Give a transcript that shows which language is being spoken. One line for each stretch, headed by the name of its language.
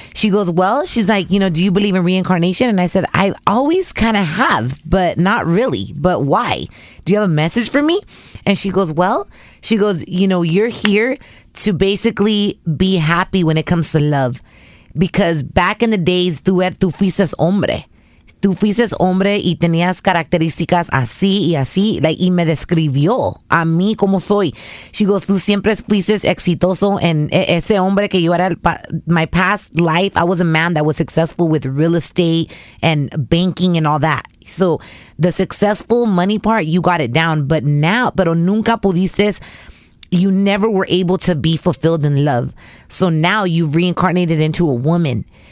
English: She goes, well, she's like, you know, do you believe in reincarnation? And I said, I always kind of have, but not really. But why? Do you have a message for me? And she goes, well, she goes, you know, you're here to basically be happy when it comes to love. Because back in the days,
Spanish: tú fuiste hombre. tú fuiste hombre y tenías características así y así, like, y me describió a mí como soy.
English: She goes,
Spanish: tú siempre fuiste exitoso en ese hombre que yo era.
English: My past life, I was a man that was successful with real estate and banking and all that. So the successful money part, you got it down. But now,
Spanish: pero nunca pudiste,
English: you never were able to be fulfilled in love. So now you've reincarnated into a woman.